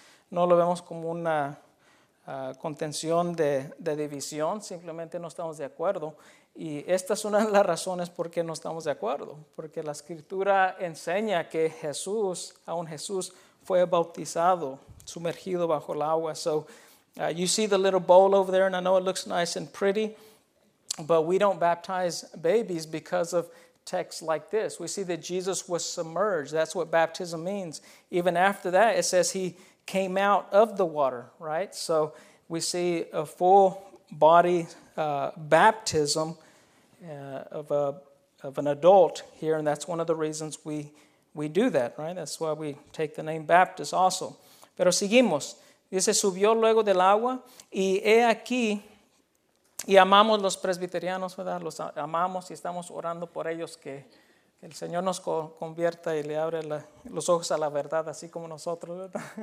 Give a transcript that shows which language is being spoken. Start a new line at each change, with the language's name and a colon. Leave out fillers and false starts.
Spanish: No lo vemos como una contención de división, simplemente no estamos de acuerdo. Y esta es una de las razones por qué no estamos de acuerdo, porque la escritura enseña que Jesús, aún Jesús, fue bautizado, sumergido bajo el agua.
English: So you see the little bowl over there, and I know it looks nice and pretty, but we don't baptize babies because of texts like this. We see that Jesus was submerged. That's what baptism means. Even after that, it says he came out of the water, right? So we see a full body baptism of an adult here, and that's one of the reasons we do that, right? That's why we take the name Baptist also.
Spanish: Pero seguimos. Dice, subió luego del agua, y he aquí, y amamos los presbiterianos, ¿verdad? Los amamos y estamos orando por ellos, que el Señor nos convierta y le abre los ojos a la verdad, así como nosotros, ¿verdad?